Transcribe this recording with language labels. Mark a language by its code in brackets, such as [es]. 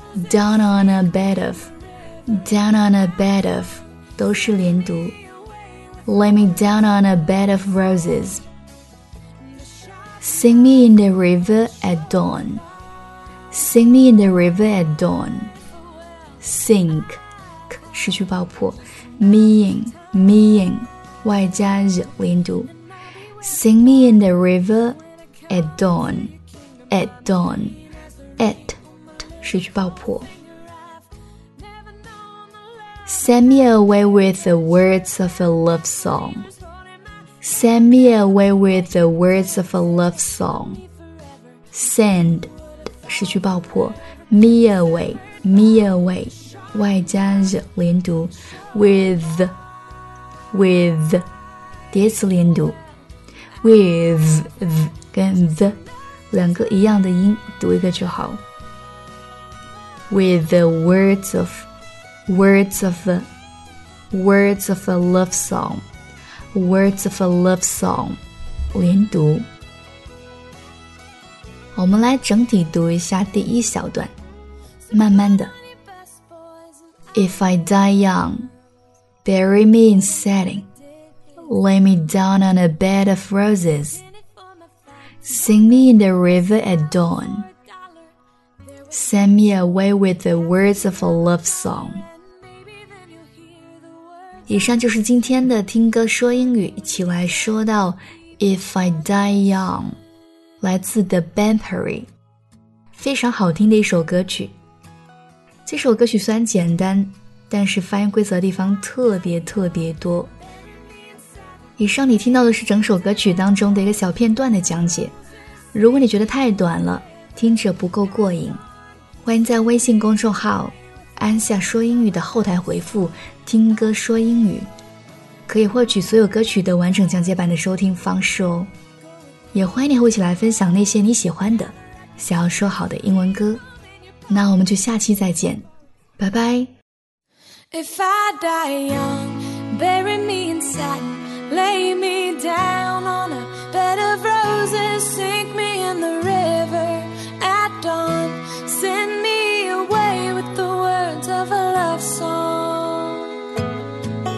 [en] Down on a bed of, down on a bed of, [zh] 都是连读。 [en] Lay me down on a bed of roses. Sing me in the river at dawn. Sing me in the river at dawn. Sink, [zh] 失去爆破。 [en] Meing, meing, [zh] 外加日连读。 [en] Sing me in the river at dawn, at dawn, at. [zh] 失去爆破。 [en] Send me away with the words of a love song. Send me away with the words of a love song. Send, [zh] 失去爆破。 [en] Me away, me away, [zh] 外加日连读。 [en] With, with, [zh] 叠词连读。 With, th, 跟 th, 两个一样的音，读一个就好。 [en] With the words of, words of, words of a love song, words of a love song, [zh] 连读。我们来整体读一下第一小段，慢慢的。 [en] If I die young, bury me in satin, lay me down on a bed of roses, sing me in the river at dawn. Send me away with the words of a love song. [zh] 以上就是今天的听歌说英语，一起来说到 [en] If I die young, [zh] 来自 The Bampery, 非常好听的一首歌曲。这首歌曲虽然简单，但是发音规则的地方特别特别多。以上你听到的是整首歌曲当中的一个小片段的讲解，如果你觉得太短了，听着不够过瘾，欢迎在微信公众号安夏说英语的后台回复听歌说英语，可以获取所有歌曲的完整讲解版的收听方式哦。也欢迎你和我一起来分享那些你喜欢的想要说好的英文歌。那我们就下期再见，拜拜。 [en] If I die young, bury me in satin, lay me down on a bed of roses, sink me in the river at dawnSend me away with the words of a love song.